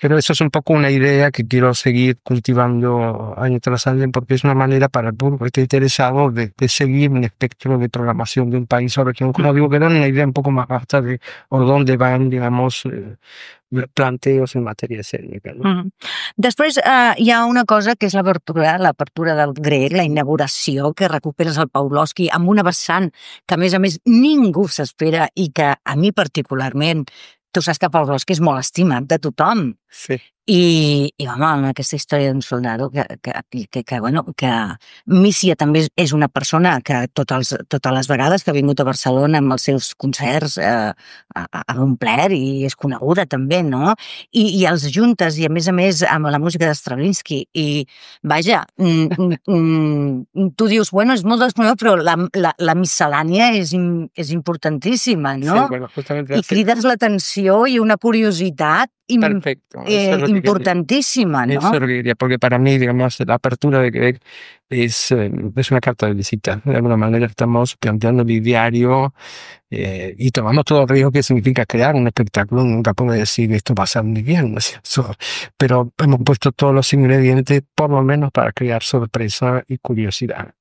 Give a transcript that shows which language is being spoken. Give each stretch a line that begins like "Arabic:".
Spanish: Pero eso es un poco una idea que quiero seguir cultivando año tras año, porque es una manera para el público que esté interesado de seguir un espectro de programación de un país o región. Como digo, que dan una idea un poco más vasta de por dónde van, digamos, los planteos en materia escénica, ¿no?
Catalan: Després hi ha una cosa que és l'apertura del grec, la inauguració, que recuperes el Pavlovski amb una vessant que, a més, ningú s'espera i que, a mi particularment, tu saps que Pavlovski és molt estimat de tothom. Sí. I home, amb aquesta història d'un soldado que Mísia també és una persona que totes les vegades que ha vingut a Barcelona amb els seus concerts ha omplert i és coneguda també, no? I els juntes, i a més amb la música d'Stravinsky, i vaja, tu dius, bueno, és molt desconegut, però la miscel·lània és importantíssima, no? Sí, bueno, justament i crides l'atenció i una curiositat
Spanish: perfecto, importantísima, ¿no? Eso es lo que diría, porque para mí, digamos, la apertura de Grieg es una carta de visita. De alguna manera estamos planteando mi diario y tomamos todo el riesgo que significa crear un espectáculo. Nunca puedo decir esto va a ser muy bien, ¿no es cierto? Pero hemos puesto todos los ingredientes, por lo menos para crear sorpresa y curiosidad.